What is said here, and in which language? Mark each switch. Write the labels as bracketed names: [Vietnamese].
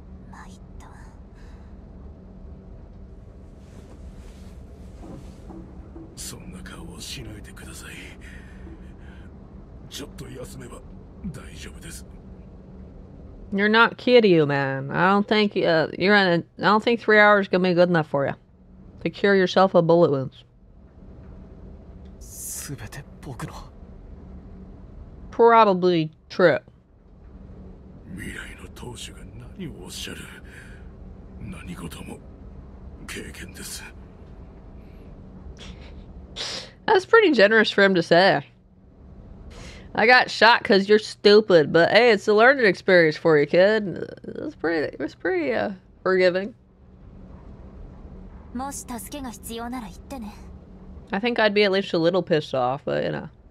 [Japanese] まいった。そんな顔をしないでください。ちょっと休めば大丈夫です。 [English] You're not kidding, you, man. I don't think I don't think 3 hours is gonna be good enough for you to cure yourself of bullet wounds. [Japanese] すべて。 [English] Probably true. [Japanese] 未来の投手が何をおっしゃる。何事も経験です。 [English] That's pretty generous for him to say. I got shot because you're stupid, but hey, it's a learning experience for you, kid. It was pretty forgiving. [Japanese] もし助けが必要なら言ってね。 [English] I think I'd be at least a little pissed off, but you know.